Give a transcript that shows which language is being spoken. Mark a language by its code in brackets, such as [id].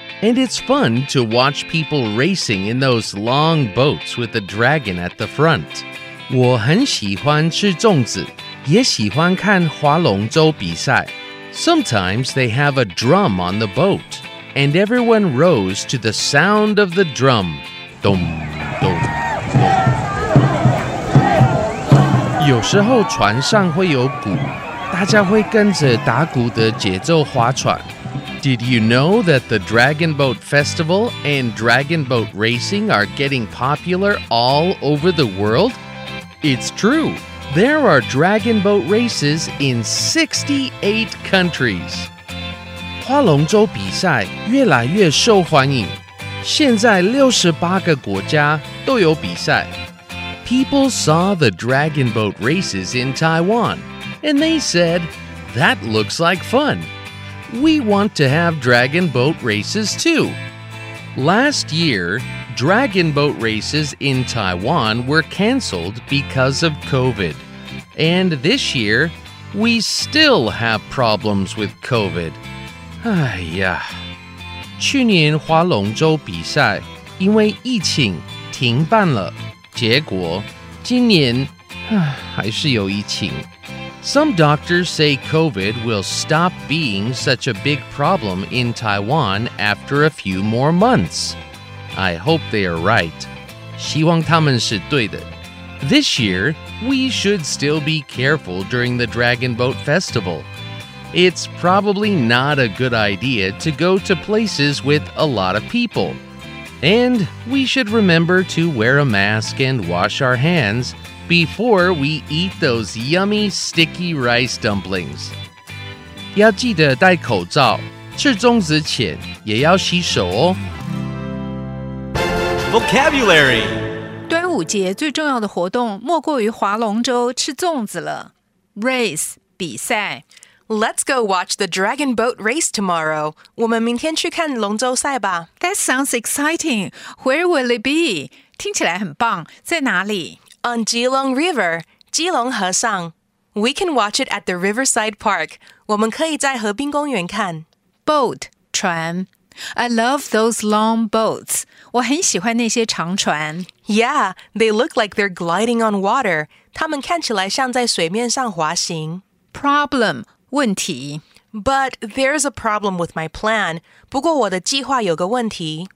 [en] And it's fun to watch people racing in those long boats with a dragon at the front. [zh] 我很喜欢吃粽子，也喜欢看划龙舟比赛。 [en] Sometimes they have a drum on the boat, and everyone rows to the sound of the drum. Dum, dum. [zh] 有时候船上会有鼓，大家会跟着打鼓的节奏划船。 [en] Did you know that the Dragon Boat Festival and Dragon Boat Racing are getting popular all over the world? It's true. There are Dragon Boat races in 68 countries. [zh] 划龙舟比赛越来越受欢迎。现在68个国家都有比赛。 [en] People saw the dragon boat races in Taiwan, and they said, that looks like fun. We want to have dragon boat races too. Last year, dragon boat races in Taiwan were canceled because of COVID. And this year, we still have problems with COVID. Aiyah. [zh] 去年划龙舟比赛因为疫情停办了。结果今年还是有疫情。 [en] Some doctors say COVID will stop being such a big problem in Taiwan after a few more months. I hope they are right. [zh] 希望他们是对的。 [en] This year, we should still be careful during the Dragon Boat Festival. It's probably not a good idea to go to places with a lot of people. And we should remember to wear a mask and wash our hands before we eat those yummy sticky rice dumplings. [zh] 要记得戴口罩，吃粽子前也要洗手哦。 [en] Vocabulary. [zh] 端午节最重要的活动莫过于划龙舟、吃粽子了。 [en] Race, 比赛。 Let's go watch the dragon boat race tomorrow. [zh] 我们明天去看龙舟赛吧。 [en] That sounds exciting. Where will it be? [zh] 听起来很棒。在哪里？ [en] On Keelung River, 基隆河上。 We can watch it at the Riverside Park. [zh] 我们可以在河濱公园看。 [en] Boat, 船。I love those long boats. [zh] 我很喜欢那些长船。 [en] Yeah, they look like they're gliding on water. [zh] 它们看起来像在水面上滑行。 [en] Problem. 问题 But there's a problem with my plan. [zh] 不过我的计划有个问题。